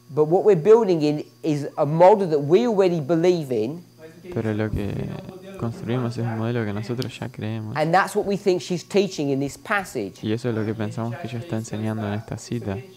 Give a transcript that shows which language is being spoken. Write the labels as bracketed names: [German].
[English] But what we're building in is a model that we already believe in. [Spanish] Pero lo que construimos es un modelo que nosotros ya creemos. [English] And that's what we think she's teaching in this passage. [Spanish] Y eso es lo que pensamos que ella está enseñando en esta cita.